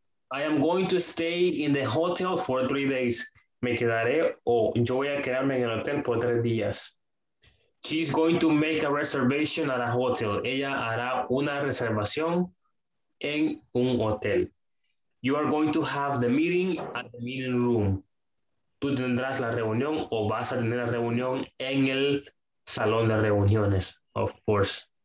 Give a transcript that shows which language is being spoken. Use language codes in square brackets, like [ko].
[en] I am going to stay in the hotel for 3 days. [es] Me quedaré o yo voy a quedarme en el hotel por 3 días. [en] She's going to make a reservation at a hotel. [es] Ella hará una reservación en un hotel. [en] You are going to have the meeting at the meeting room. [es] Tú tendrás la reunión o vas a tener la reunión en el salón de reuniones, [en] of course.